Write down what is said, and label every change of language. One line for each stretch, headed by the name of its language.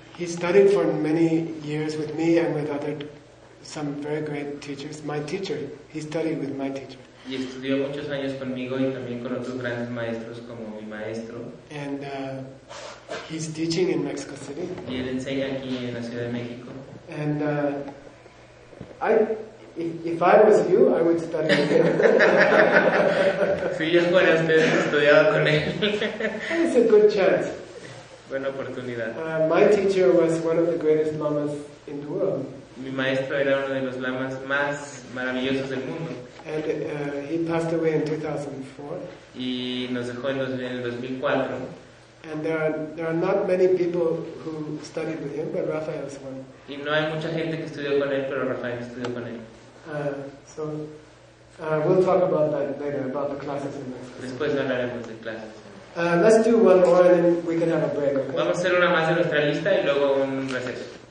English: He studied for many years with me and with other some very great teachers. My teacher, he studied with my teacher.
Spanish: Y estudió muchos años conmigo y también con otros grandes maestros como mi maestro.
English: And he's teaching in Mexico City.
Spanish: Y él enseña aquí en la Ciudad de México.
English: And If I was you, I would study with him.
Spanish: Si yo fuera usted, estudiaba con él.
English: It's a good chance.
Spanish: Buena oportunidad.
English: My teacher was one of the greatest lamas in the world.
Spanish: Mi maestro era uno de los lamas más maravillosos del mundo.
English: And he passed away in 2004.
Spanish: Y nos dejó en el 2004.
English: And there are not many people who studied with him, but Rafael is one.
Spanish: Y no hay mucha gente que estudió con él, pero Rafael estudió con él.
English: So we'll talk about that later, about the classes in Mexico.
Spanish: Después hablaremos de clases.
English: Let's do one more and then we can have a break, okay?
Spanish: Vamos a hacer una más de nuestra lista y luego un receso.